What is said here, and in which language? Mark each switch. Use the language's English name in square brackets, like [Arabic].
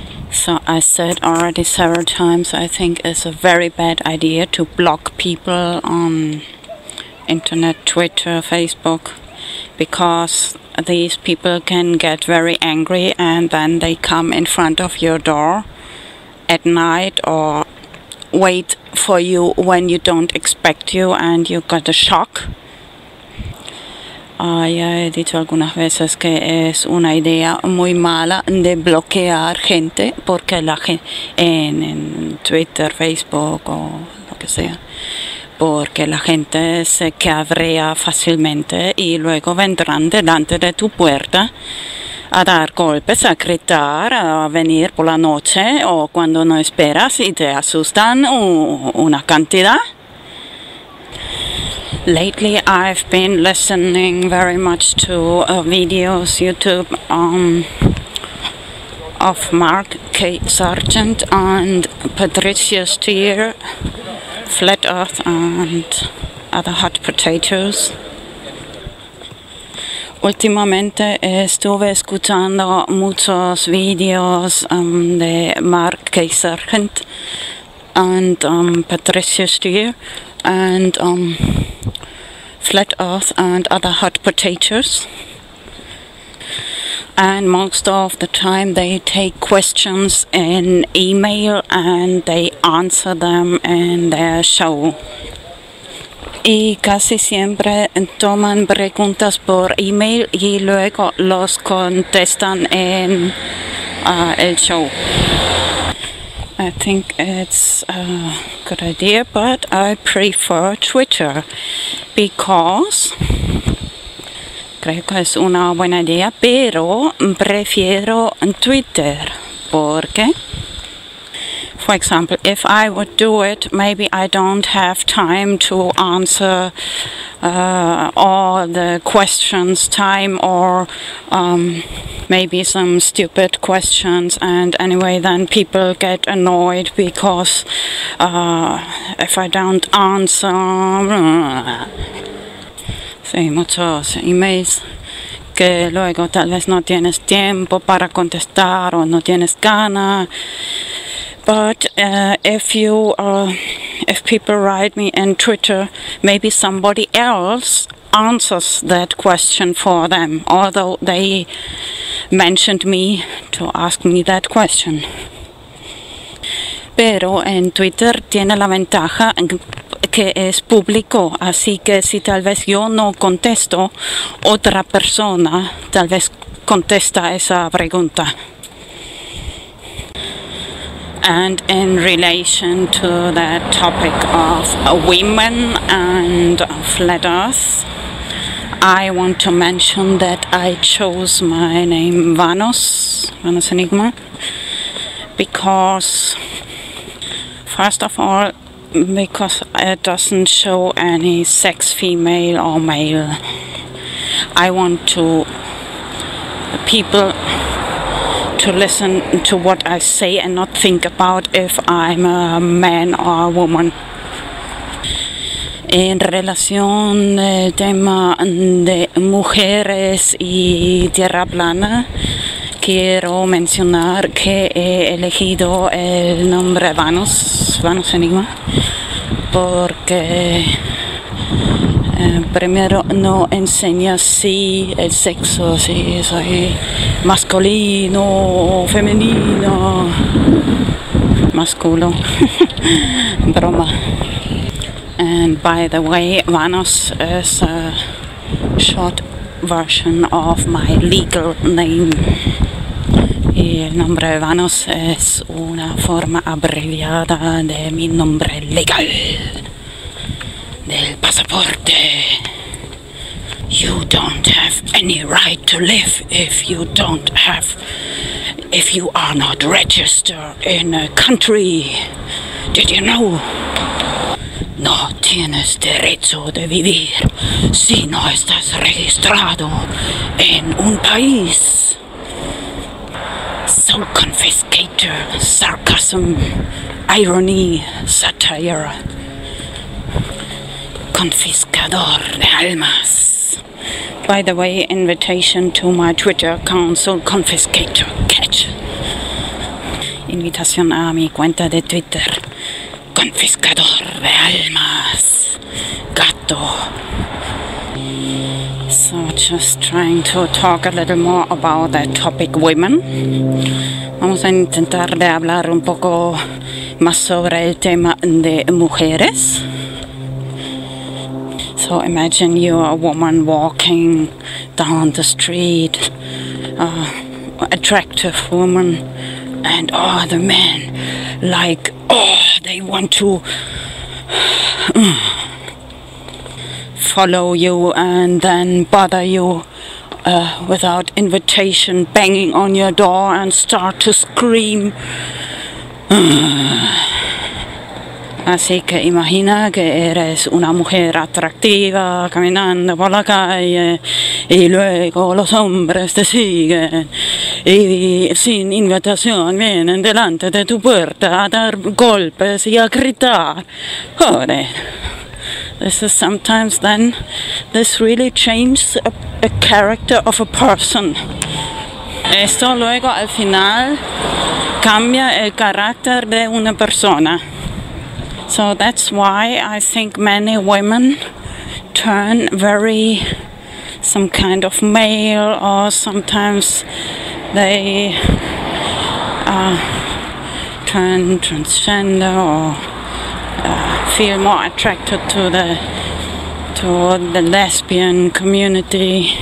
[English] So I said already several times, I think it's a very bad idea to block people on internet, Twitter, Facebook, because these people can get very angry and then they come in front of your door at night or wait for you when you don't expect you and you got a shock. [Spanish] Ya he dicho algunas veces que es una idea muy mala de bloquear gente porque la gente en Twitter, Facebook o lo que sea, porque la gente se cabrea fácilmente y luego vendrán delante de tu puerta a dar golpes, a gritar, a venir por la noche o cuando no esperas y te asustan una cantidad. [English] Lately I've been listening very much to videos YouTube of Mark K. Sargent and Patricia Steer, Flat Earth and Other Hot Potatoes. [Spanish] Últimamente estuve escuchando muchos videos de Mark K. [English] Sargent and Patricia Steer and Flat Earth and Other Hot Potatoes. And most of the time they take questions in email and they answer them in their show. [Spanish] Y casi siempre toman preguntas por email y luego los contestan en el show. [English] I think it's a good idea, but I prefer Twitter because... [Spanish] Creo que es una buena idea, pero prefiero Twitter porque... [English] For example, if I would do it, maybe I don't have time to answer all the questions, time or maybe some stupid questions, and anyway then people get annoyed because if I don't answer... [Spanish] Sí, muchos emails que luego tal vez no tienes tiempo para contestar o no tienes gana. [English] But if people write me on Twitter, maybe somebody else answers that question for them, although they mentioned me to ask me that question. [Spanish] Pero en Twitter tiene la ventaja que es público, así que si tal vez yo no contesto, otra persona tal vez contesta esa pregunta. [English] And in relation to the topic of women and flat earth, I want to mention that I chose my name VanosEnigmA, because, first of all, because it doesn't show any sex, female or male. I want to people to listen to what I say and not think about if I'm a man or a woman. [Spanish] En relación al tema de mujeres y tierra plana, quiero mencionar que he elegido el nombre VanosEnigmA, porque Primero no enseña si el sexo, si soy masculino o femenino. Masculo. Broma. [English] And by the way, Vanos is a short version of my legal name. [Spanish] Y el nombre Vanos es una forma abreviada de mi nombre legal. Del pasaporte. [English] You don't have any right to live if you are not registered in a country. Did you know? [Spanish] No tienes derecho de vivir si no estás registrado en un país. [English] So confiscator, sarcasm, irony, satire. [Spanish] Confiscador de almas. [English] By the way, invitation to my Twitter console, confiscator catch. [Spanish] Invitación a mi cuenta de Twitter, confiscador de almas. Gato. [English] So just trying to talk a little more about the topic women. [Spanish] Vamos a intentar de hablar un poco más sobre el tema de mujeres. [English] So imagine you are a woman walking down the street, attractive woman, and all the men, like, oh, they want to follow you and then bother you without invitation, banging on your door and start to scream. [Spanish] Así que imagina que eres una mujer atractiva caminando por la calle y luego los hombres te siguen y sin invitación vienen delante de tu puerta a dar golpes y a gritar. Joder. [English] This is sometimes then, this really changes a character of a person. [Spanish] Esto luego al final cambia el carácter de una persona. [English] So that's why I think many women turn very some kind of male, or sometimes they turn transgender, or feel more attracted to the lesbian community.